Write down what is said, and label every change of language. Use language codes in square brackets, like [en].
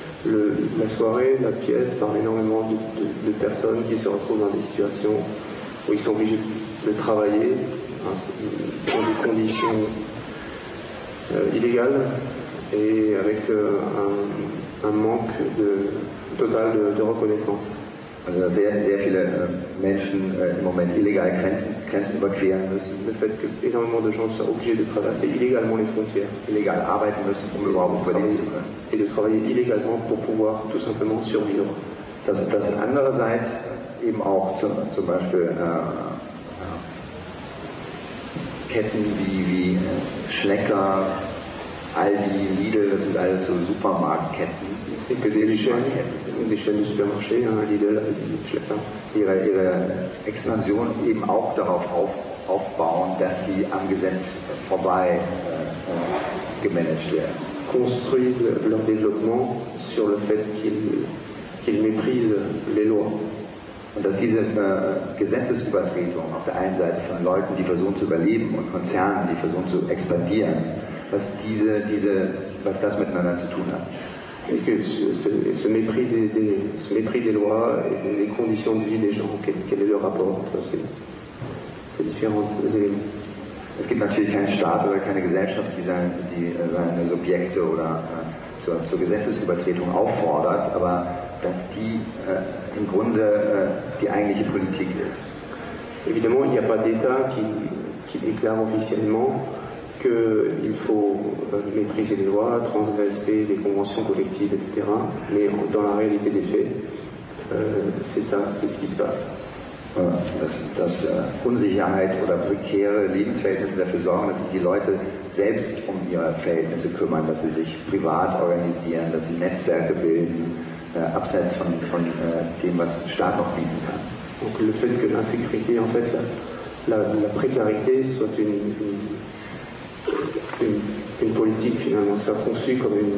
[fr] La soirée, la pièce, parle énormément de personnes qui se retrouvent dans des situations où ils sont obligés de travailler dans des conditions illégales et avec un manque total de reconnaissance. [de] Also dass sehr, sehr viele Menschen im Moment illegal Grenzen überqueren müssen. [fr] Le fait que énormément de gens sont obligés de traverser illégalement les frontières. [de] Illégal arbeiten müssen, um überhaupt überleben zu können. [fr] Et de travailler illégalement pour pouvoir tout simplement survivre. [de] Das andererseits eben auch zum Beispiel Ketten wie Schlecker, Aldi, Lidl, das sind alles so Supermarktketten. [fr] Des chaînes de supermarché, Lidl, Schlecker, [de] ihre Expansion eben auch darauf aufbauen, dass sie am Gesetz vorbei gemanagt werden. [fr] Construisent leur développement sur le fait qu'ils méprisent les lois. [de] Und dass diese Gesetzesübertretung auf der einen Seite von Leuten, die versuchen zu überleben, und Konzernen, die versuchen zu expandieren, was was das miteinander zu tun hat. [fr] Et que ce mépris des lois et des conditions de vie des gens, quel est le rapport entre ces différents éléments? [de] Es gibt natürlich keinen Staat oder keine Gesellschaft, die seine Subjekte oder zur Gesetzesübertretung auffordert, aber dass die im Grunde die eigentliche Politik ist. [fr] Évidemment, il n'y a pas d'État qui déclare officiellement qu'il faut mépriser les lois, transgresser les conventions collectives, etc. Mais dans la réalité des faits, c'est ça, c'est ce qui se passe. [de] Dass Unsicherheit oder prekäre Lebensverhältnisse dafür sorgen, dass sich die Leute selbst um ihre Verhältnisse kümmern, dass sie sich privat organisieren, dass sie Netzwerke bilden, abseits von dem, was der Staat noch bieten kann. [fr] Donc le fait que l'insécurité, en fait, la précarité soit une politique finalement, ça conçu comme